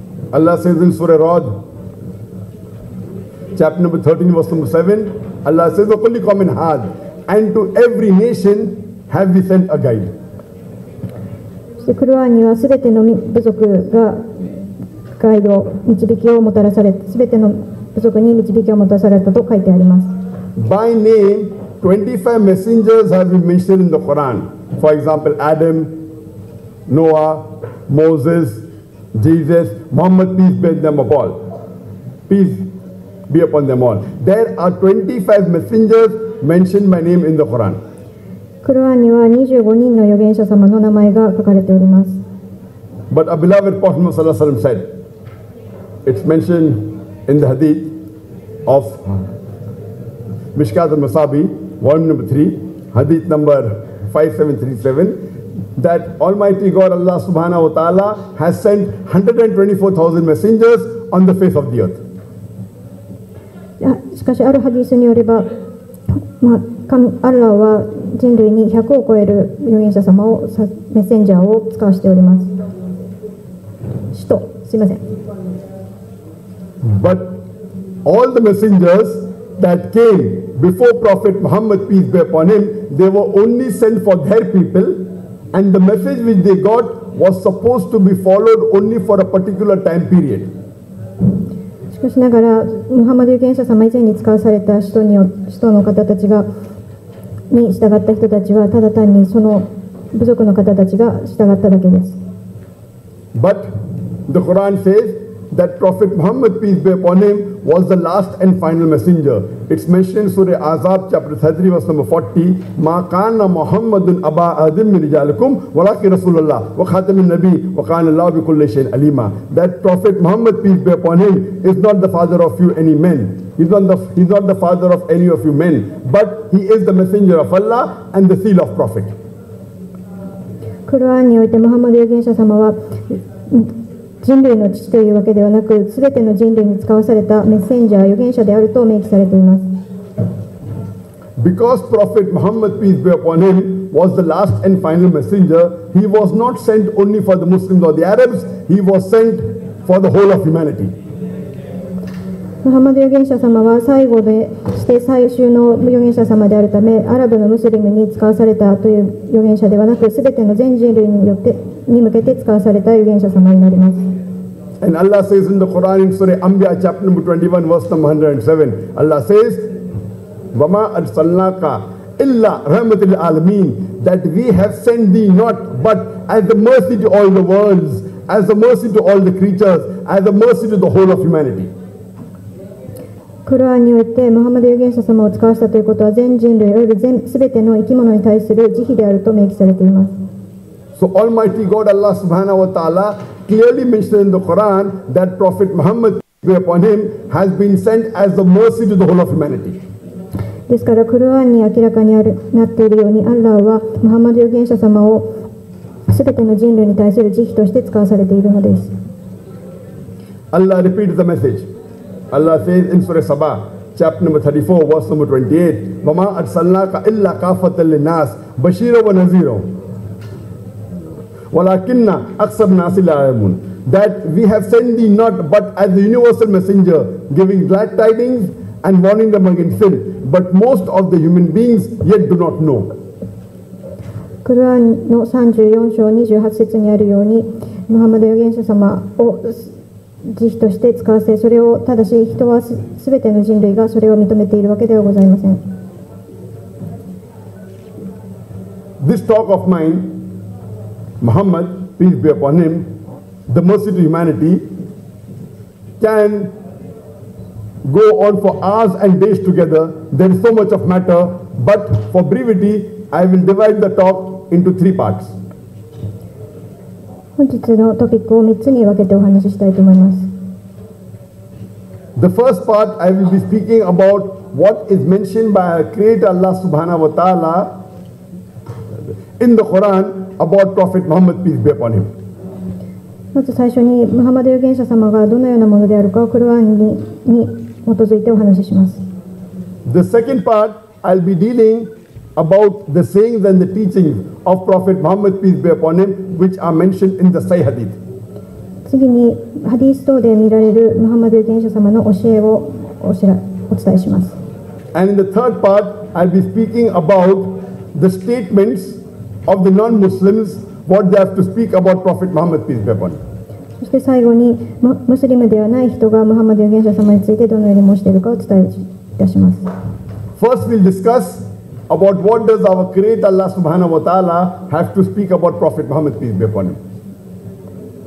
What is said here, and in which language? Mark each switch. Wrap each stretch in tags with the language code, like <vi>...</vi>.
<en>Allah says in Surah Rod chapter number 13 verse number 7 Allah says</en> <ar>وَقُلْ لِقَوْمٍ هَذْ</ar> <en>and to every nation have we sent a guide.</en> <ja>そしてクルアンにはすべての部族がガイド導きをもたらされ、すべての部族に導きをもたらされたと書いてあります。</ja> <en>By name 25 messengers have been mentioned in the Quran. For example, AdamNoah, Moses, Jesus, Muhammad, peace be upon them all. Peace be upon them all. There are 25 messengers mentioned by name in the Quran.</en> <ja>Quran には25人の預言者様の名前が書かれております。</ja> <en>But our beloved Prophet Muhammad sallallahu alaihi wasallam said, it's mentioned in the Hadith of Mishkat al-Masabi, volume number 3, Hadith number 5737. That Almighty God Allah Subhanahu wa Ta'ala has sent 124,000 messengers on the face of the earth.</en> <ja>しかしあるハディスによれば、まあ、アッラーは人類に100を超える預言者様をメッセンジャーを使わしております。使徒、すいません。</ja> <en>But all the messengers that came before Prophet Muhammad, peace be upon him, they were only sent for their people. And the message which they got was supposed to be followed only for a particular time period.</en> <ja>しかしながらムハマド預言者様以前に使わされた使徒の方たちがに従った人たちはただ単にその部族の方たちが従っただけです。</ja> <en>But the Quran says that Prophet Muhammad peace be upon him was the last and final messenger. It's mentioned Surah Azab chapter 33 verse number 40</en> <ar>مَا قَانَ مُحَمَّدٌ أَبَا أَذِمْ مِنْ رِجَالِكُمْ وَلَاكِ رَسُولَ اللَّهِ وَخَاتَمِ النَّبِي وَقَانَ اللَّهُ بِكُلِّ شَيْءٍ عَلِيمًا.</ar> <en>That Prophet Muhammad peace be upon him is not the father of you any men. He's not the father of any of you men. But he is the messenger of Allah and the seal of Prophet.</en> <ja>クルアンにおいてムハマド預言者様は人類の父というわけではなく、すべての人類に使わされたメッセンジャー預言者であると明記されています。</ja> <en>Because Prophet Muhammad peace be upon him was the last and final messenger, he was not sent only for the Muslims or the Arabs, he was sent for the whole of humanity.</en> <ja>ムハマド預言者様は最後でして最終の預言者様であるため、アラブのムスリムに使わされたという預言者ではなく、すべての全人類によってに向けて使わされた預言者様になります。</ja> <en>And Allah says in the Quran in Surah Anbiya chapter number 21 verse number 107, Allah says,</en> <ar>وَمَا أَرْسَلْنَاكَ إِلَّا رَحْمَةَ لِلْعَالَمِينَ,</ar> <en>that we have sent thee not but as a mercy to all the worlds, as a mercy to all the creatures, as a mercy to the whole of humanity.</en> <ja>クルアンにおいてムハマド預言者様を使わせたということは全人類および全ての生き物に対する慈悲であると明記されています。</ja> <en>So Almighty God Allah subhanahu wa ta'ala clearly mentioned in the Quran that Prophet Muhammad peace be upon him has been sent as a mercy to the whole of humanity.</en> <ja>ですからクルアンに明らかになっているように、アッラーはムハマド預言者様を全ての人類に対する慈悲として使わされているのです。</ja> <en>Allah repeats the message. Allah says in Surah Sabah chapter number 34 verse number 28,</en> <ar>وَمَا أَرْسَلْنَاكَ إِلَّا كَافَةً لِلنَّاسِ بَشِيرًا وَنَذِيرًا وَلَكِنَّ أَكْثَرُ النَّاسِ لَا يَعْلَمُونَ,</ar> <en>that we have sent thee not but as a universal messenger giving glad tidings and warning them against sin, but most of the human beings yet do not know.</en> <ja>クルアンの34章28節にあるように、ムハマド預言者様を慈悲として使わせ、それをただし人は全ての人類がそれを認めているわけではございません。</ja> <en>This talk of mineMuhammad, peace be upon him, the mercy to humanity, can go on for hours and days together. There is so much of matter, but for brevity, I will divide the talk into three parts.</en> <ja>本日のトピックを3つに分けてお話ししたいと思います。</ja> <en>The first part, I will be speaking about what is mentioned by our Creator Allah subhanahu wa ta'ala in the Quran. About Prophet Muhammad peace be upon him.</en> <ja>まず最初にムハマド預言者様がどのようなものであるかをクルアンに基づいてお話しします。</ja> <en>The second part I'll be dealing about the sayings and the teachings of Prophet Muhammad peace be upon him which are mentioned in the Sahih Hadith.</en> <ja>次にハディス等で見られるムハマド預言者様の教えをお伝えします。</ja> <en>And in the third part I'll be speaking about the statementsof the non-Muslims, what they have to speak about Prophet Muhammad peace be upon.</en> <ja>そして最後に、ムスリムではない人がムハマド預言者様についてどのように申しているかを伝えいたします。</ja> <en>First, we'll discuss about what does our Creator Allah subhanahu wa ta'ala have to speak about Prophet Muhammad peace be upon him.</en>